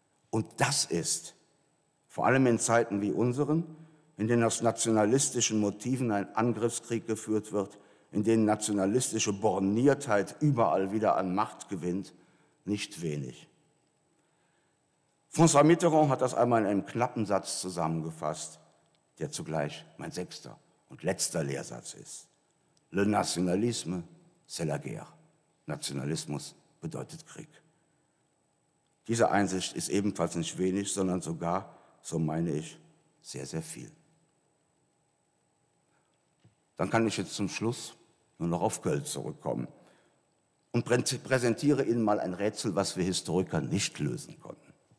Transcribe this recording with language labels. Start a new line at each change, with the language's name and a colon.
German: Und das ist, vor allem in Zeiten wie unseren, in denen aus nationalistischen Motiven ein Angriffskrieg geführt wird, in denen nationalistische Borniertheit überall wieder an Macht gewinnt, nicht wenig. François Mitterrand hat das einmal in einem knappen Satz zusammengefasst, der zugleich mein sechster und letzter Lehrsatz ist.
French: Le nationalisme, c'est la guerre.
German: Nationalismus bedeutet Krieg. Diese Einsicht ist ebenfalls nicht wenig, sondern sogar, so meine ich, sehr, sehr viel. Dann kann ich jetzt zum Schluss nur noch auf Köln zurückkommen und präsentiere Ihnen mal ein Rätsel, was wir Historiker nicht lösen konnten.